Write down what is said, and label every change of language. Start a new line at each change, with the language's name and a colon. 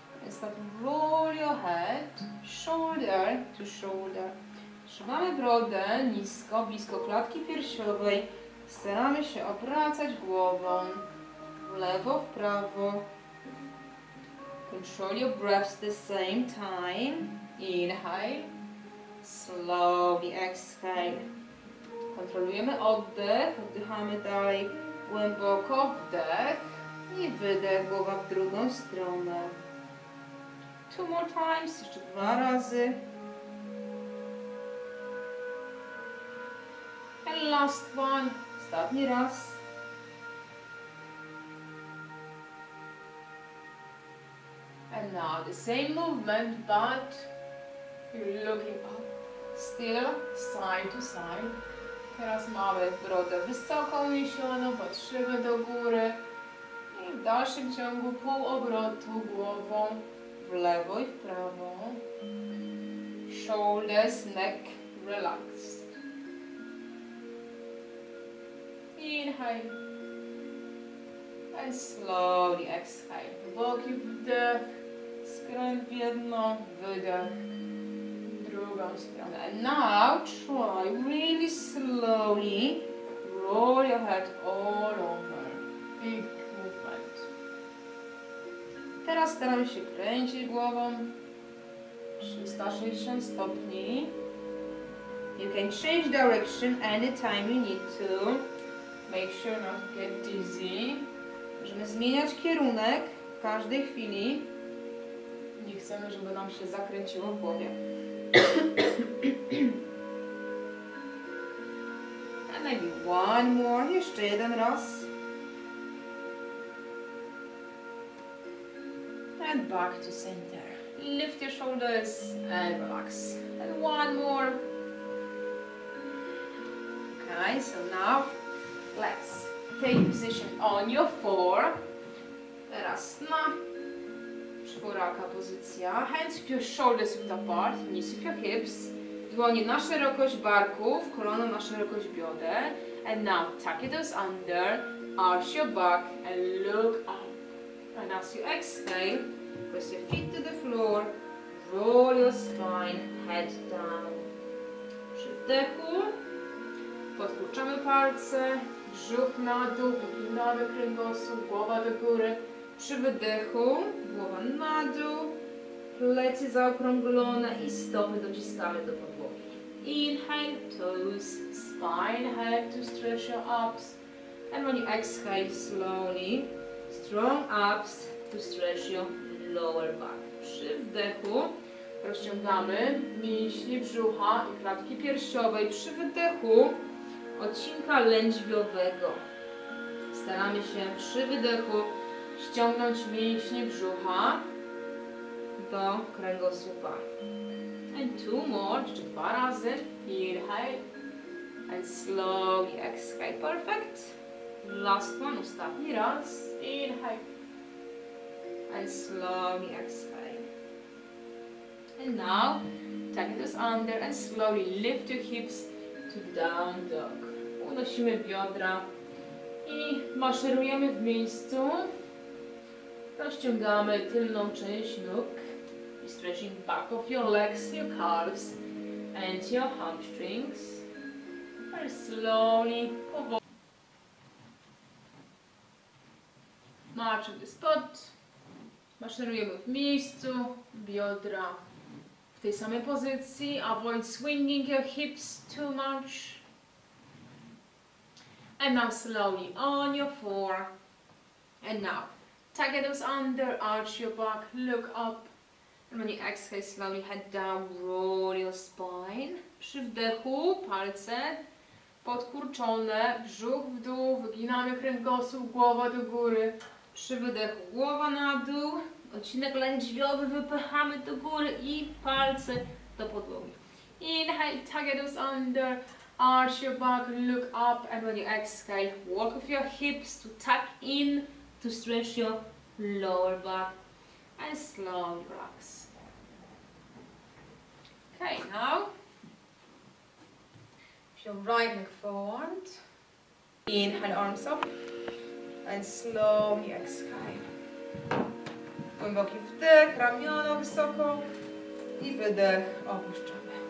English: And start to roll your head shoulder to shoulder.
Polish: Trzymamy brodę nisko, blisko klatki piersiowej. Staramy się obracać głową w lewo, w prawo.
English: Control your breath at the same time. Inhale. Slowly exhale.
Polish: Kontrolujemy oddech, oddychamy dalej głęboko, wdech i wydech, głowa w drugą stronę.
English: Two more times,
Polish: jeszcze dwa razy.
English: And last one,
Polish: ostatni raz.
English: And now the same movement, but you're looking up, still side to side.
Polish: Teraz mamy brodę wysoko uniesioną, patrzymy do góry i w dalszym ciągu pół obrotu głową w lewo i w prawo.
English: Shoulders, neck, relaxed. Inhale. And slowly exhale.
Polish: Boki wdech, skręt w jedno, wydech.
English: And now try really slowly roll your head all over. Big movement.
Polish: Teraz staramy się kręcić głową 360 stopni.
English: You can change direction anytime you need to. Make sure not to get dizzy.
Polish: Możemy zmieniać kierunek w każdej chwili. Nie chcemy, żeby nam się zakręciło w głowie.
English: And maybe one more,
Polish: jeszcze jeden raz.
English: And back to center. Lift your shoulders and relax. And one more. Okay, so now let's take position on your four.
Polish: Teraz na czworaka pozycja.
English: Hands of your shoulders width apart, knees of your hips.
Polish: Dłonie na szerokość barków, kolana na szerokość bioder.
English: And now tuck your toes under, arch your back and look up. And as you exhale, press your feet to the floor, roll your spine, head down.
Polish: Przy wdechu podkurczamy palce, brzuch na dół, wyginamy kręgosłup, głowa do góry. Przy wydechu głowa na dół, plecy zaokrąglone i stopy dociskamy do podłogi.
English: Inhale, toes, spine, head to stretch your abs. And when you exhale, slowly, strong abs to stretch your lower back.
Polish: Przy wdechu rozciągamy mięśnie brzucha i klatki piersiowej. Przy wydechu odcinka lędźwiowego. Staramy się przy wydechu ściągnąć mięśnie brzucha do kręgosłupa.
English: And two more,
Polish: czy dwa razy.
English: Inhale. And slowly exhale. Perfect. Last one,
Polish: ostatni raz.
English: Inhale. And slowly exhale. And now, tuck those under and slowly lift your hips to down dog.
Polish: Unosimy biodra i maszerujemy w miejscu. Rozciągamy tylną część nóg.
English: Stretching back of your legs, your calves and your hamstrings. Very slowly, march to the spot.
Polish: Maszerujemy w miejscu, biodra w tej samej pozycji.
English: Avoid swinging your hips too much. And now slowly on your four. And now, tuck those under, arch your back, look up. And when you exhale, slowly head down, roll your spine.
Polish: Przy wdechu palce podkurczone, brzuch w dół, wyginamy kręgosłup, głowa do góry. Przy wydechu głowa na dół, odcinek lędźwiowy wypychamy do góry i palce do podłogi.
English: Inhale, tuck those under, arch your back, look up. And when you exhale, walk off your hips to tuck in, to stretch your lower back. And slowly relax. Okay, now, if your right leg forward, inhale, arms up, and slowly exhale.
Polish: Głęboki wdech, ramiona wysoko, i wydech, opuszczamy.